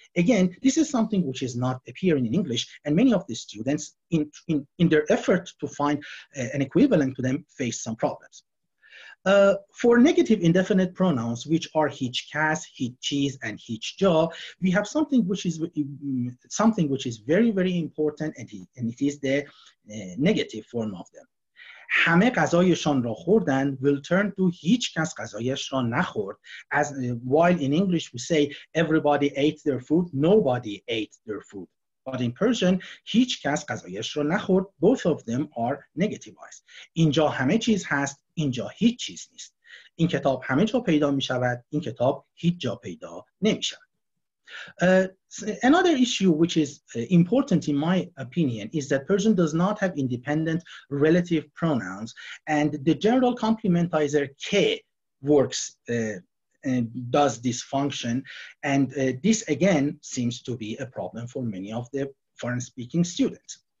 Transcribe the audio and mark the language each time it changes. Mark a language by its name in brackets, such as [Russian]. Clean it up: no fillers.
[English] Again, this is something which is not appearing in English, and many of the students, in their effort to find an equivalent to them, face some problems. For negative indefinite pronouns, which are hiç kas, hiç çiz, and hiç ca, we have something which is very, very important, and it is the negative form of them. [Persian] همه غذایشان را خوردند [English] will turn to [Persian] هیچ کس غذایش را نخورد. [English] As while in English we say everybody ate their food, nobody ate their food. But in Persian, [Persian] هیچ کس غذایش را نخورد. [English] Both of them are negativized. [Persian] اینجا همه چیز هست. اینجا هیچ چیز نیست. این کتاب همه جا پیدا می شود. این کتاب هیچ جا پیدا نمی شود. [English] Another issue which is important in my opinion is that Persian does not have independent relative pronouns, and the general complementizer K works and does this function, and this again seems to be a problem for many of the foreign speaking students.